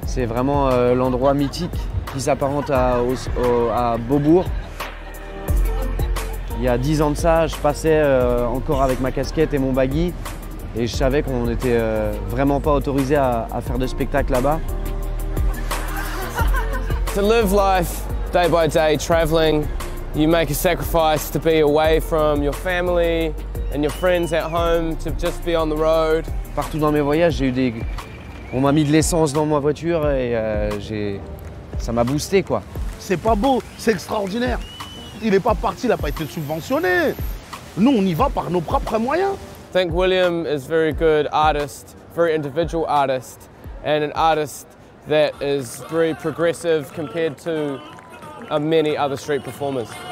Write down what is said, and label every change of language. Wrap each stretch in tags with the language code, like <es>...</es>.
<fr>C'est vraiment l'endroit mythique qui s'apparente à Beaubourg. Il y a 10 ans de ça, je passais encore avec ma casquette et mon baggy et je savais qu'on n'était vraiment pas autorisé à faire de spectacle là-bas.</fr> <en>To live life day by day traveling, you make a sacrifice to be away from your family and your friends at home, to just be on the road.</en> <fr>Partout dans mes voyages, on m'a mis de l'essence dans ma voiture et ça m'a boosté, quoi. C'est pas beau, c'est extraordinaire. Il n'est pas parti, il n'a pas été subventionné. Nous, on y va par nos propres moyens.</fr> <en>I think William is very good artist, very individual artist, and an artist that is very progressive compared to many other street performers.</en>